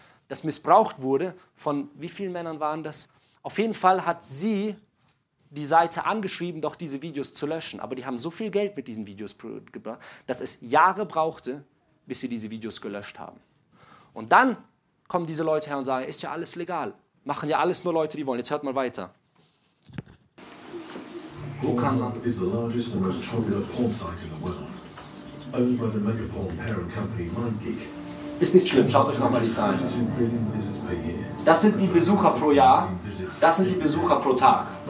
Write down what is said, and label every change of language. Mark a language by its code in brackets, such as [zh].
[de] Das missbraucht wurde von wie vielen Männern waren das? Auf jeden Fall hat sie die Seite angeschrieben, doch diese Videos zu löschen. Aber die haben so viel Geld mit diesen Videos gebracht, dass es Jahre brauchte, bis sie diese Videos gelöscht haben. Und dann kommen diese Leute her und sagen, ist ja alles legal. Machen ja alles nur Leute, die wollen. Jetzt hört mal weiter. [en] Pornhub is the largest and most popular porn site in the world. Owned by the mega porn parent company MindGeek. [de] Ist nicht schlimm, schaut euch nochmal die Zahlen an. Das sind die Besucher pro Jahr, das sind die Besucher pro Tag.